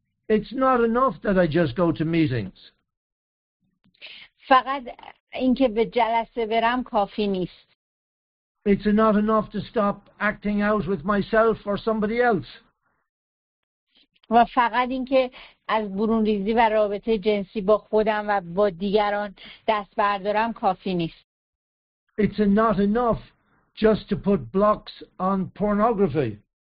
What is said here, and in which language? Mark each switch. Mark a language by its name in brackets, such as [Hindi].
[English] It's not enough that I just go to meetings. [Persian] فقط اینکه به جلسه برم کافی نیست. [English] It's not enough to stop acting out with myself or somebody else. [Persian] و فقط اینکه از برون ریزی و رابطه جنسی با خودم و با دیگران دست بردارم کافی نیست. [English] It's not enough just to put blocks on pornography.